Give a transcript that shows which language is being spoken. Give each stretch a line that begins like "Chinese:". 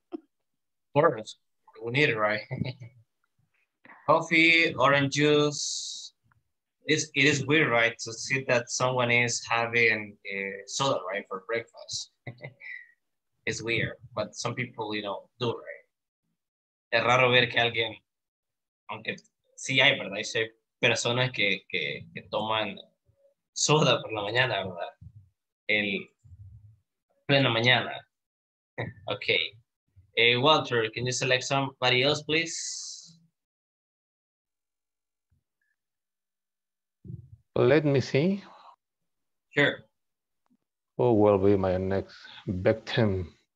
English: Of course, we need it, right? Coffee, orange juice. It is weird, right, to see that someone is having a soda, right, for breakfast. It's weird, but some people, you know, do, right?
Spanish: Es raro ver que alguien, aunque sí hay, ¿verdad? Hay personas que toman soda por la mañana, ¿verdad? El plena mañana. Okay.
English: Hey, Walter, can you select somebody else, please? Let me see. Sure. Who will be my next victim?